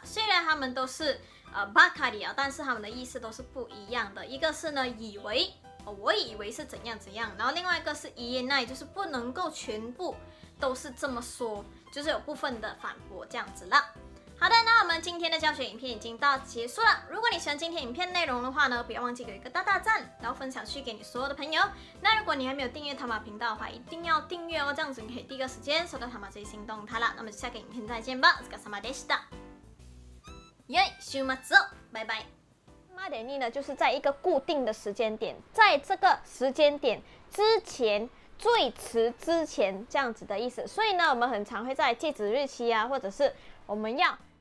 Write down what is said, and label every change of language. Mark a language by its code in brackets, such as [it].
[zh] 虽然他们都是ばかり啊，但是他们的意思都是不一样的。一个是呢以为，我以为是怎样怎样，然后另外一个是言えない，就是不能够全部都是这么说，就是有部分的反驳这样子了。好的，那我们今天的教学影片已经到结束了。如果你喜欢今天影片内容的话呢，不要忘记给一个大大赞，然后分享去给你所有的朋友。那如果你还没有订阅塔玛频道的话，一定要订阅哦，这样子你可以第一个时间收到塔玛最新动态了。那么下个影片再见吧， [ja] お疲れ様でした。よい週末、バイバイ。 [zh] 八点呢，就是在一个固定的时间点，在这个时间点之前，最迟之前这样子的意思。所以呢，我们很常会在截止日期啊，或者是我们要